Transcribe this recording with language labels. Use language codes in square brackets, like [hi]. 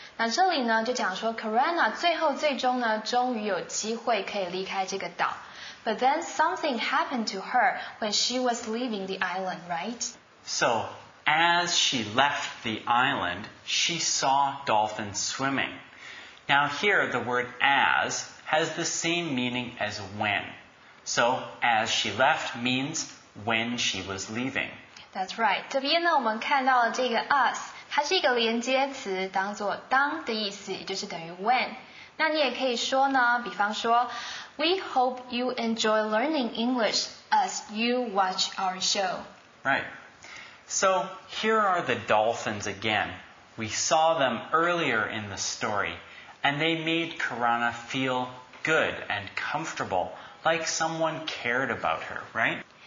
[zh] 那这里呢就讲说 Karana 最后最终呢终于有机会可以离开这个岛。 [en] But then something happened to her when she was leaving the island, right? So, as she left the island, she saw dolphins swimming. Now here, the word as has the same meaning as when. So, as she left means when she was leaving. That's right. [zh] 这边呢我们看到了这个 as, 它是一个连接词当作当的意思就是等于 when。那你也可以说呢比方说 [en] We hope you enjoy learning English as you watch our show. Right. So here are the dolphins again. We saw them earlier in the story and they made Karana feel good and comfortable like someone cared about her, right?